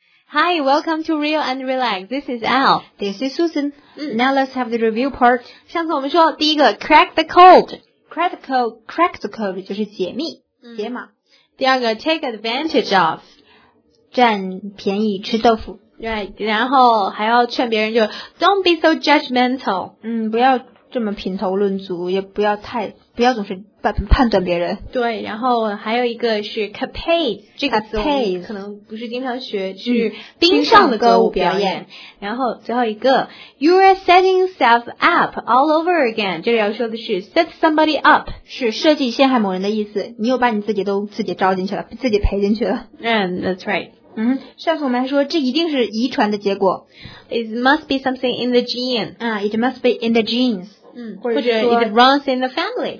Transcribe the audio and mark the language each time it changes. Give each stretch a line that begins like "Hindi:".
English: Hi, welcome to Real and Relax. This is Al. This is Susan.、 Now let's have the review part.
Chinese: 上次我们说第一个
English: crack the code. Crack the code. Crack the code
Chinese: 就是解密、解码。第二个
English: take advantage of.
Chinese: 占便宜吃豆腐。
English: Right.
Chinese: 然后还要劝别人就
English: don't be so judgmental.
Chinese: 不要这么品头论足，也不要太，不要总是判断别人。对，然后还有一个是 capade， 这个词我们可能不是经常学，是冰上的歌舞表演。然后最后一个
English: you're setting yourself up all over again，
Chinese: 这里要说的是
English: set somebody up，
Chinese: 是设计陷害某人的意思，你又把你自己都自己招进去了，自己赔进去了。
English: And that's right。
Chinese: 上次我们还说这一定是遗传的结果。
English: It must be something in the gene. It must be in the genes.
Chinese: 或者
English: it runs in the family.